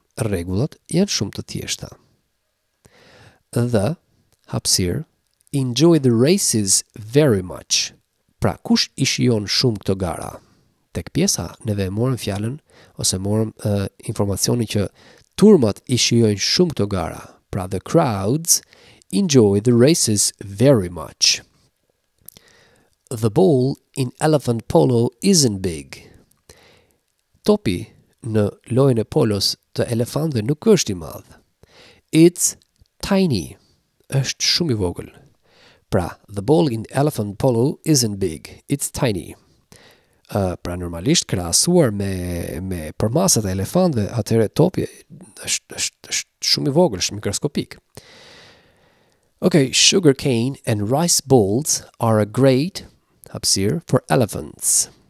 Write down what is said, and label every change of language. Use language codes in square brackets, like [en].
[sq] Regulat janë shumë të thjeshta. [en] The, hapsir, enjoy the races very much. [sq] Pra, kush I shijon shumë këto gara? Tek pjesa, neve morëm fjallën, ose morëm informacionin që turmat I shijon shumë këto gara. [en] Pra, the crowds enjoy the races very much. The ball in elephant polo isn't big. Topi [sq] në lojën e polos të elefantëve nuk është I madh. [en] It's tiny. [sq] Është shumë I vogël. [en] Pra, the ball in elephant polo isn't big. It's tiny. [sq] Pra normalisht krahasuar me përmasat e elefantëve, atëherë topi është shumë I vogël, është mikroskopik. [en] Okay, sugar cane and rice balls are a great hapsir for elephants.